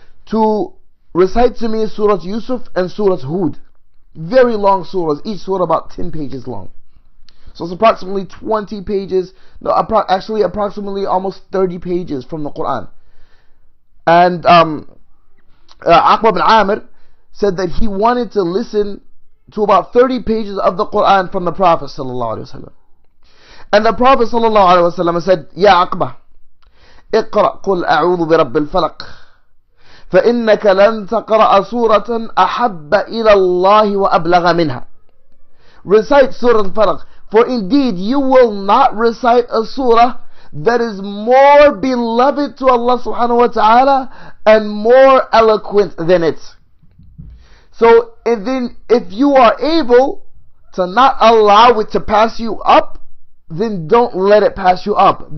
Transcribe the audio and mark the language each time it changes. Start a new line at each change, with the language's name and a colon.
English: to recite to me Surah Yusuf and Surah Hud, very long surahs, each surah about 10 pages long, so it's approximately 20 pages no, actually approximately almost 30 pages from the Quran. And Aqba bin Amir said that he wanted to listen to about 30 pages of the Quran from the Prophet sallallahu alaihi wasallam. And the Prophet sallallahu alaihi wasallam said, "Ya Aqba,
Arabic: اقرأ قل أعوذ برب الفلق فإنك لن تقرأ سورة أحب إلى الله وأبلغ منها."
English: Recite Surah Al-Falaq, for indeed you will not recite a surah that is more beloved to Allah subhanahu wa ta'ala and more eloquent than it. So, and then if you are able to not allow it to pass you up, then don't let it pass you up.